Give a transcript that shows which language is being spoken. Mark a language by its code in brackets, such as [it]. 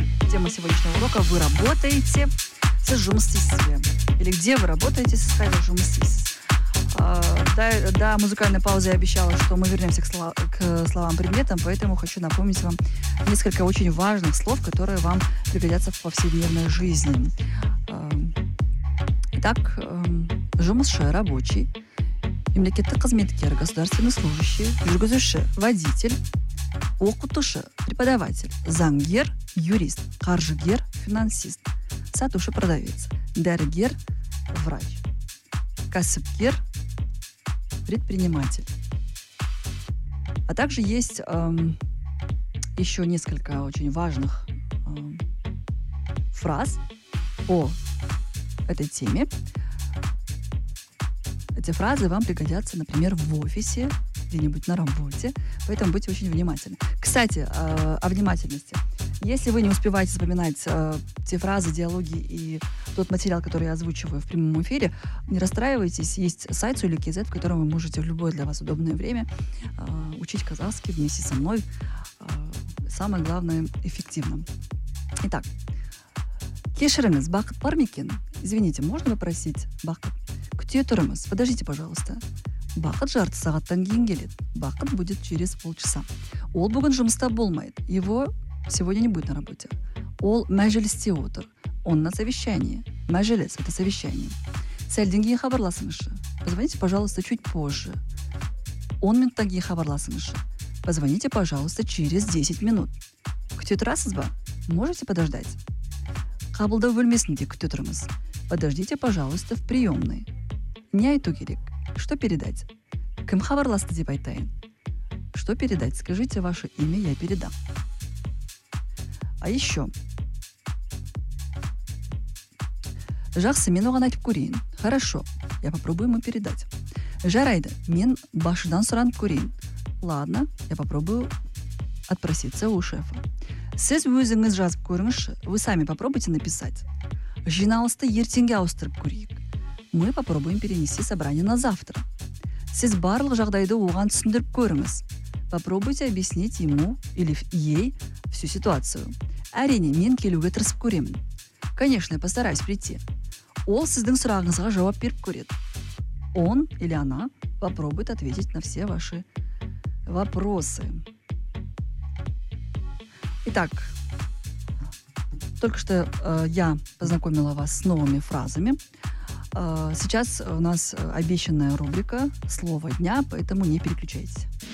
[ru] Тема сегодняшнего урока — вы работаете с жумсисом. Или где вы работаете с жумсисом. До музыкальной паузы я обещала, что мы вернемся к словам-предметам, поэтому хочу напомнить вам несколько очень важных слов, которые вам пригодятся в повседневной жизни. Итак, жұмысшы – рабочий, мемлекеттік қызметкер – государственный служащий, жүргізуші – водитель, оқытушы – преподаватель, заңгер – юрист, қаржыгер – финансист, сатушы – продавец, дәрігер – врач, кәсіпкер – предприниматель. А также есть еще несколько очень важных фраз по этой теме. Эти фразы вам пригодятся, например, в офисе, где-нибудь на работе, поэтому будьте очень внимательны. Кстати, о внимательности. Если вы не успеваете запоминать те фразы, диалоги и тот материал, который я озвучиваю в прямом эфире, не расстраивайтесь, есть сайт Сулья-Кизет, в котором вы можете в любое для вас удобное время учить казахский вместе со мной, самое главное, эффективно. [kk] Итак, кешіріңіз, бақыт бар ма екен? [ru] Извините, можно попросить бақыт? [kk] Күте тұрыңыз, [ru] подождите, пожалуйста. [kk] Бақыт жарты сағаттан кейін келеді. [ru] Бақыт будет через полчаса. [kk] Ол бүгін жұмыста болмайды. [ru] Его сегодня не будет на работе. [kk] Ол мәжілісте отыр. [ru] Он на совещании. Мәжіліс – это совещание. [kk] Сәлден кейін хабарласыңызшы. [ru] Позвоните, пожалуйста, чуть позже. [kk] 10 минуттан кейін хабарласыңызшы. [ru] Позвоните, пожалуйста, через 10 минут. [kk] Күте тұрасыз ба? [ru] Можете подождать? [kk] Қабылдау бөлмесінде күте тұрыңыз. [ru] Подождите, пожалуйста, в приемной. [kk] Не айту керек. [ru] Что передать? [kk] Кім хабарласты деп айтайын? Что передать? [ru] Скажите ваше имя, я передам. А еще. [kk] Жақсы, мен оған айтып көрейін. [ru] Хорошо, я попробую ему передать. [kk] Жарайды, мен башыдан сұранып көрейін. [ru] Ладно, я попробую отпроситься у шефа. [kk] Сіз өзіңіз жазып көріңізші. [ru] Вы сами попробуйте написать. [kk] Жиналысты ертеңге ауыстырып көрейік. [ru] Мы попробуем перенести собрание на завтра. [kk] Сіз барлық жағдайды оған түсіндіріп көріңіз. [ru] Попробуйте объяснить ему или ей всю ситуацию. [kk] Әрине, мен келуге тырысып көремін. [ru] Конечно, я постараюсь прийти. [kk] Ол сіздің сұрағыңызға жауап беріп көреді. [ru] Он или она попробует ответить на все ваши вопросы. Итак, только что я познакомила вас с новыми фразами. Сейчас у нас обещанная рубрика «Слово дня», поэтому не переключайтесь.